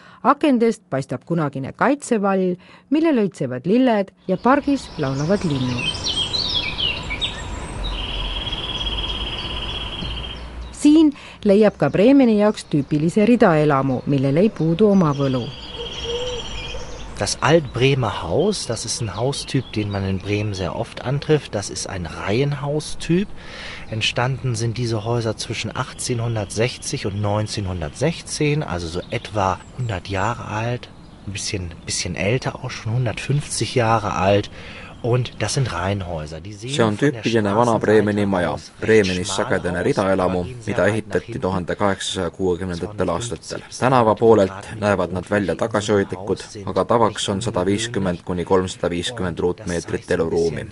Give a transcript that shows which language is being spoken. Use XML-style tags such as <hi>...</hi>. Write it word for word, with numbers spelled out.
<et>Akendest paistab kunagine kaitsevall, mille lõitsevad lilled ja pargis laulavad linnud. Siin leiab ka Bremeni jaoks tüüpilise ridaelamu, millel ei puudu oma võlu.</et> <de>Das Altbremer Haus, das ist ein Haustyp, den man in Bremen sehr oft antrifft. Das ist ein Reihenhaustyp. Entstanden sind diese Häuser zwischen achtzehnhundertsechzig und neunzehnhundertsechzehn, also so etwa hundert Jahre alt, ein bisschen, bisschen älter auch schon, hundertfünfzig Jahre alt. Und das sind Reihenhäuser.</de> <et>See on tüüpiline vana Bremeni maja, Bremenis sagedane ridaelamu, mida ehitati tuhande kaheksasaja kuuekümnendatel aastatel. Tänava poolelt näevad nad välja tagasihoidlikud, aga tavaks on sada viiskümmend kuni kolmsada viiskümmend ruutmeetrit eluruumi.</et>